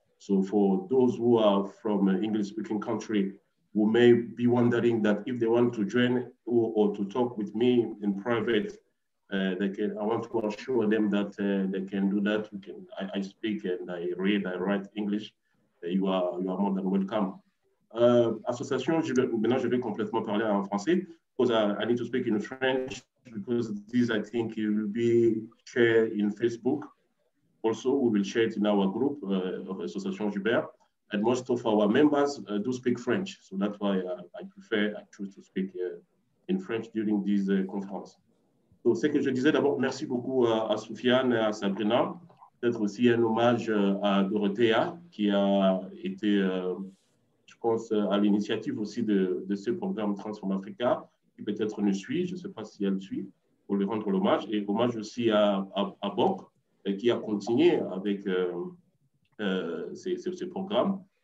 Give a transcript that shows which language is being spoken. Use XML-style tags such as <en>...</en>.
<en>So for those who are from an English-speaking country who may be wondering that if they want to join or to talk with me in private, I want to assure them that they can do that. I speak and I read, I write English. You are more than welcome.</en> <fr>Association, maintenant je vais complètement parler en français.</fr> <en>Because I need to speak in French, because this, I think, it will be shared in Facebook. Also, we will share it in our group of Association Joubert. And most of our members do speak French. So that's why I choose to speak in French during this conference.</en> <fr>So, ce que je disais d'abord, merci beaucoup à Soufiane et à Sabrina. Peut-être aussi un hommage à Dorothea, qui a été, je pense, à l'initiative aussi de ce programme Transform Africa. Qui peut-être nous suit, je ne sais pas si elle suit, pour lui rendre l'hommage, et hommage aussi à Bok, qui a continué avec ces programmes.</fr>